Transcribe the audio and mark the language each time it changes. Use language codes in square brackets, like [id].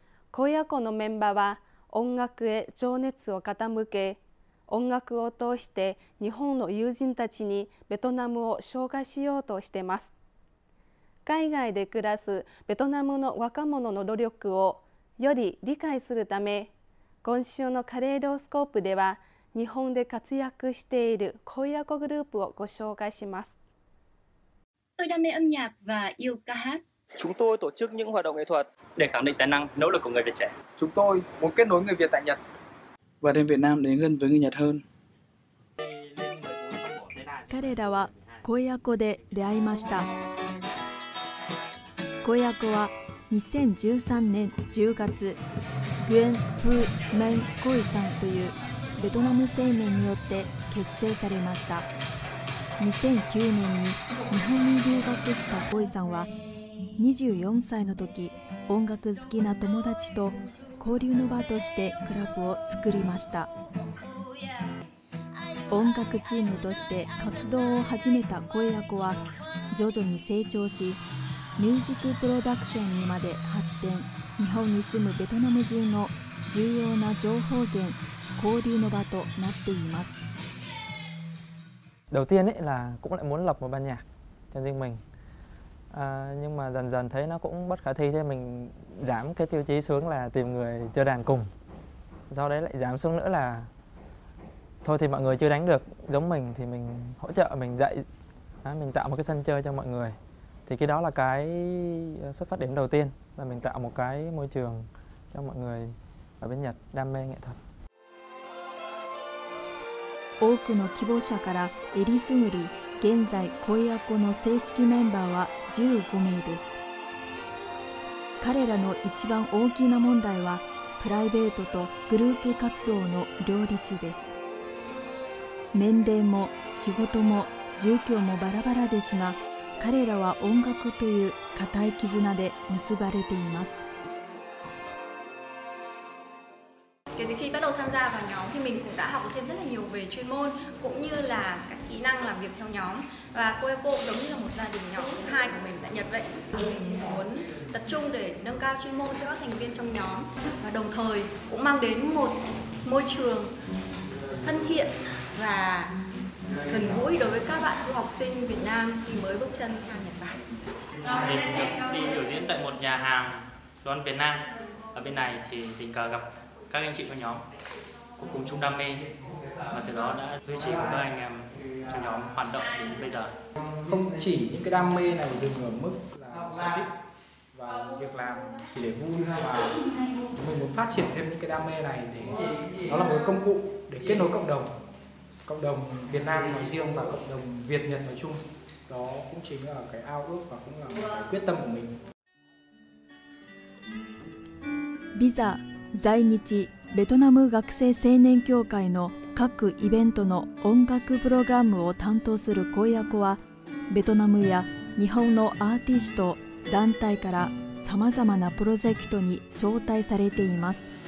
[ja] 高野港のメンバーは音楽へ情熱を傾け、音楽を通して日本の友人たちにベトナムを紹介しようとしています。海外で暮らすベトナムの若者の努力をより理解するため、今週のカレーロースコープでは日本で活躍している高野港グループをご紹介します。 [vi] Tôi đam mê âm nhạc và yêu ca hát. Chúng tôi tổ chức những hoạt động nghệ thuật để khẳng định tài năng, nỗ lực của người Việt trẻ. Chúng tôi muốn kết nối người Việt tại Nhật và đem Việt Nam đến gần với người Nhật hơn. [ja] Kare ra wa Koyako de deaimashita. Koyako wa 2013年10月、Nguyen Phu Minh Khoi さんというベトナム青年によって結成されました。 2009年に日本に留学したコイさんは24歳の時、音楽好きな友達と交流の場としてクラブを作りました。音楽チームとして活動を始めたコイヤコは徐々に成長し、ミュージックプロダクションにまで発展、日本に住むベトナム人の重要な情報源、交流の場となっています。 [vi] Đầu tiên ấy là cũng lại muốn lập một ban nhạc cho riêng mình. À, nhưng mà dần dần thấy nó cũng bất khả thi, thế mình giảm cái tiêu chí xuống là tìm người chơi đàn cùng. Do đấy lại giảm xuống nữa là thôi thì mọi người chưa đánh được giống mình thì mình hỗ trợ, mình dạy, à, mình tạo một cái sân chơi cho mọi người. Thì cái đó là cái xuất phát điểm đầu tiên, là mình tạo một cái môi trường cho mọi người ở bên Nhật đam mê nghệ thuật. [ja] 多くの希望者からえりすぐり、現在恋やこの正式メンバーは15名です。彼らの一番大きな問題はプライベートとグループ活動の両立です。年齢も仕事も住居もバラバラですが、彼らは音楽という固い絆で結ばれています。 [vi] Kể từ khi bắt đầu tham gia vào nhóm thì mình cũng đã học thêm rất là nhiều về chuyên môn cũng như là các kỹ năng làm việc theo nhóm. Và cô ấy cô giống như là một gia đình nhỏ thứ hai của mình tại Nhật vậy. Mình chỉ muốn tập trung để nâng cao chuyên môn cho các thành viên trong nhóm và đồng thời cũng mang đến một môi trường thân thiện và gần gũi đối với các bạn du học sinh Việt Nam khi mới bước chân sang Nhật Bản. Mình được đi biểu diễn tại một nhà hàng đồ ăn Việt Nam ở bên này thì tình cờ gặpcác anh chị trong nhóm cùng chung đam mê và từ đó đã duy trì cùng các anh em trong nhóm hoạt động đến bây giờ. Không chỉ những cái đam mê này dừng ở mức là sở thích và việc làm chỉ để vui, mà chúng mình muốn phát triển thêm những cái đam mê này để nó là một công cụ để kết nối cộng đồng Việt Nam nói riêng và cộng đồng Việt Nhật nói chung. Đó cũng chính là cái ao ước và cũng là cái quyết tâm của mình. [ja] Visa在日ベトナム学生青年協会の各イベントの音楽プログラムを担当する高野子は、ベトナムや日本のアーティスト団体からさまざまなプロジェクトに招待されています。